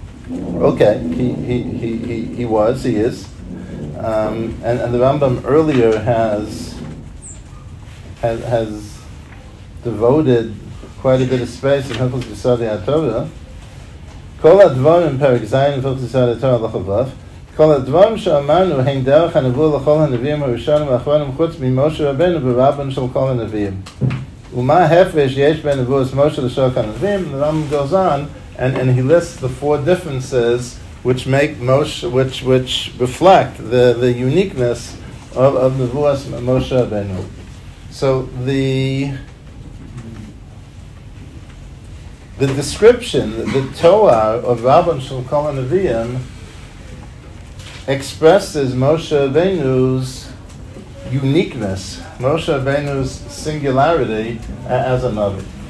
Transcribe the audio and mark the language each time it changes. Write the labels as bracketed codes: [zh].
[en] Okay, he is. And the Rambam earlier has devoted quite a bit of space in Hilchos Yesod HaTorah. Kol HaDvarim Perek Zayin in Hilchos Yesod HaTorah Lachavav. [he] כל הדברים שאמרנו הם דרך הנבואה לכל הנביאים הראשונים והאחרונים חוץ ממשה רבנו ורבן של כל הנביאים. ומה ההפרש יש בין נבואות משה לשאר הנביאים? [en] The Rambam goes on and he lists the four differences which make Moshe, which reflect the uniqueness of nebuas Moshe Rabbeinu. So the description, the toar of Rabban Shel Kol HaNeviim expresses Moshe Rabbeinu's uniqueness, Moshe Rabbeinu's singularity as a Navi.